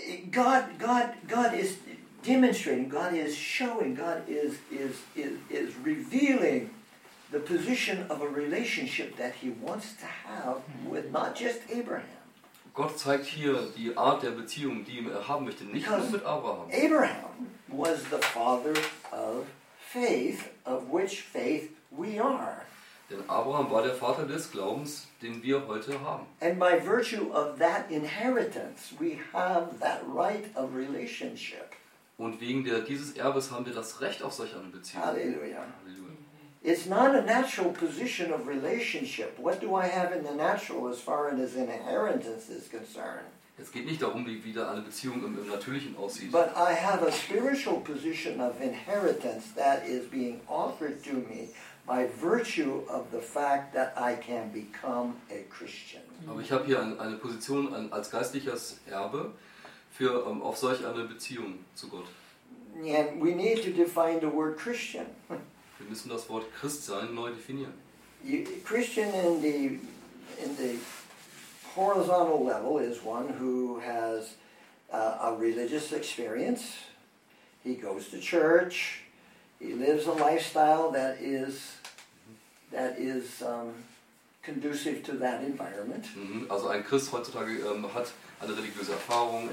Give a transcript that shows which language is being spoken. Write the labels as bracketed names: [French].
[English] God is demonstrating, God is showing, God is revealing the position of a relationship that he wants to have with not just Abraham. [German] Gott zeigt hier die Art der Beziehung, die er haben möchte, nicht [English] because [German] nur mit Abraham. [English] Abraham was the father of faith, of which faith we are. [German] Denn Abraham war der Vater des Glaubens, den wir heute haben. [English] And by virtue of that inheritance, we have that right of relationship. [German] Und wegen dieses Erbes haben wir das Recht auf solch eine Beziehung. [English] Halleluja. It's not a natural position of relationship. What do I have in the natural as far as inheritance is concerned? [German] Es geht nicht darum, wie da eine Beziehung im Natürlichen aussieht. [English] But I have a spiritual position of inheritance that is being offered to me by virtue of the fact that I can become a Christian. [German] Aber ich habe hier eine Position als geistliches Erbe für auf solch eine Beziehung zu Gott. [English] And we need to define the word Christian. [German] Wir müssen das Wort Christsein neu definieren. [English] Christian in the horizontal level is one who has a religious experience. He goes to church. He lives a lifestyle that is conducive to that environment. [German] Also ein Christ heutzutage hat eine religiöse Erfahrung.